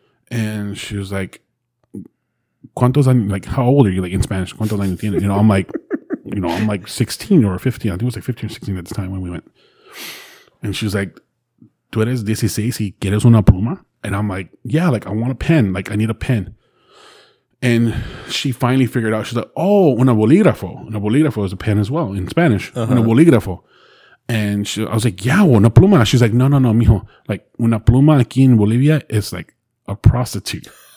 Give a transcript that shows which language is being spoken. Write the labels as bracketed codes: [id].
[en] And she was like, ¿cuántos años? Like, how old are you? Like in Spanish, ¿cuántos años tienes? I'm like, I'm like 16 or 15. I think it was like 15 or 16 at the time when we went. [es] And she was like, ¿Tú eres 16 y quieres una pluma? [en] And I'm like, yeah, like I want a pen. Like I need a pen. And she finally figured out. She's like, oh, una bolígrafo. Una bolígrafo is a pen as well in Spanish. Uh-huh. Una bolígrafo. And I was like, yeah, una pluma. [es] She's like, no, no, no, mijo. Like una pluma aquí en Bolivia is like a prostitute.